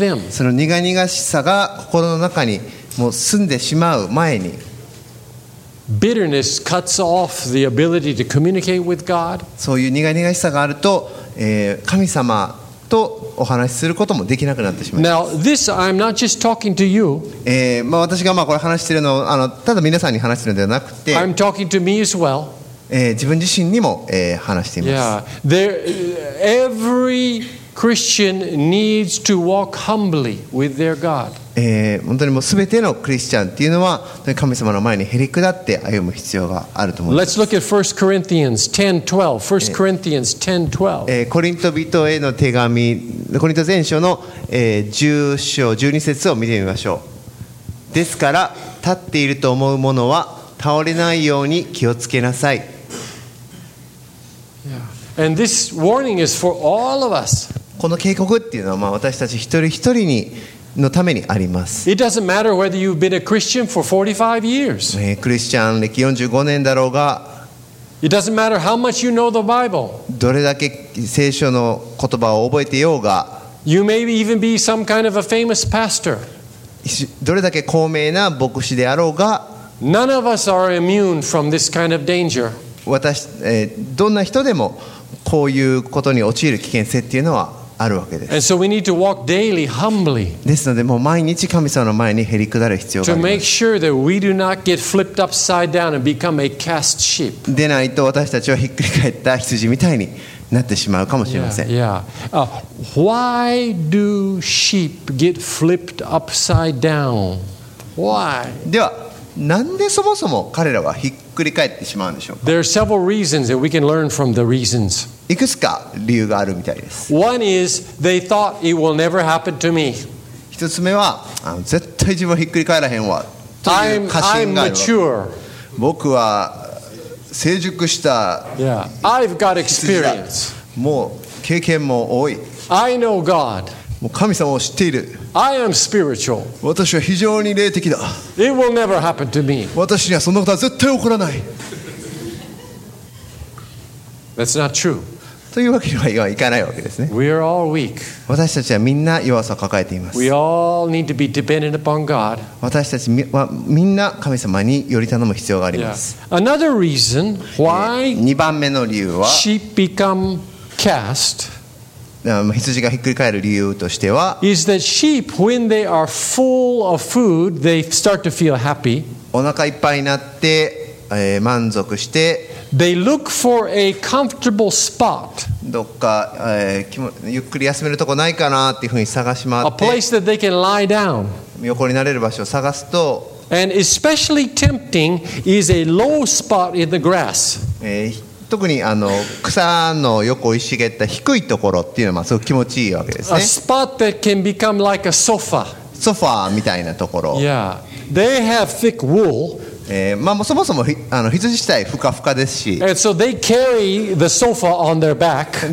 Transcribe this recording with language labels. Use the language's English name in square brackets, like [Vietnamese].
[Japanese] その苦々しさが心の中にもう住んでしまう前に、 [English] bitterness cuts off the ability to communicate with God. [Japanese] そういう苦々しさがあると、神様とお話しすることもできなくなってしまいます。 [English] Now, this, I'm not just talking to you. [Japanese] まあ、私がまあこれ話しているのはただ皆さんに話しているのではなくて、 [English] I'm talking to me as well. [Japanese] 自分自身にも、話しています。 [English] There, every Christian needs to walk humbly with their God. [Japanese] 本当にもう全てのクリスチャンというのは神様の前にへり下って歩む必要があると思います。 [English] Let's look at 1 Corinthians 10:12. 1 Corinthians 10:12. [Japanese] コリント人への手紙、コリント前書の10章12節を見てみましょう。ですから立っていると思うものは倒れないように気をつけなさい。 [English] And this warning is for all of us. [Japanese] この警告っていうのはまあ私たち一人一人にのためにあります。 [English] It doesn't matter whether you've been a Christian for 45 years. [Japanese] クリスチャン歴45年だろうが、 [English] It doesn't matter how much you know the Bible. [Japanese] どれだけ聖書の言葉を覚えてようが、 [English] You may even be some kind of a famous pastor. [Japanese] どれだけ高名な牧師であろうが、 [English] None of us are immune from this kind of danger. [Japanese] どんな人でもこういうことに陥る危険性っていうのはあるわけです。 [English] And so we need to walk daily humbly. [Japanese] ですので、もう毎日神様の前にへり下る必要があります。 [English] To make sure that we do not get flipped upside down and become a cast sheep. [Japanese] でないと私たちはひっくり返った羊みたいになってしまうかもしれません。 [English] Yeah. Why do sheep get flipped upside down? Why? [Japanese] では、なんでそもそも彼らはひっくり返ってしまうんでしょうか。 [English] There are several reasons that we can learn from the reasons. [Japanese] いくつか理由があるみたいです。 [English] One is they thought it will never happen to me. [Japanese] 一つ目は絶対自分ひっくり返らへんわという過信があります。 [English] I'm mature. [Japanese] 僕は成熟した。 [English] Yeah. I've got experience. [Japanese] もう経験も多い。 [English] I know God. [Japanese] もう神様を知っている。 [English] I am spiritual. [Japanese] 私は非常に霊的だ。 [English] It will never happen to me. [Japanese] 私にはそんなことは絶対起こらない。 [English] That's not true. [Japanese] というわけにはいかないわけですね。 [English] We are all weak. [Japanese] 私たちはみんな弱さを抱えています。 [English] We all need to be dependent upon God. [Japanese] 私たちはみんな神様により頼む必要があります。 [English] Another reason why [Japanese] 2番目の理由は [English] sheep become cast. [Japanese] 羊がひっくり返る理由としては、 [English] is that sheep when they are full of food they start to feel happy。 [Japanese] お腹いっぱいになって、満足して、 [English] they look for a comfortable spot。 [Japanese] どっか、ゆっくり休めるとこないかなっていうふうに探し回って、 [English] a place that they can lie down。 [Japanese] 横になれる場所を探すと、 [English] and especially tempting is a low spot in the grass。 [Japanese] 特に草の横を生い茂った低いところっていうのはすごく気持ちいいわけですね。 [English] A spot that can become like a sofa. [Japanese] ソファーみたいなところ。 [English] Yeah. They have thick wool. [Japanese] まあ、そもそも羊自体ふかふかですし。 [English] And so they carry the sofa on their back.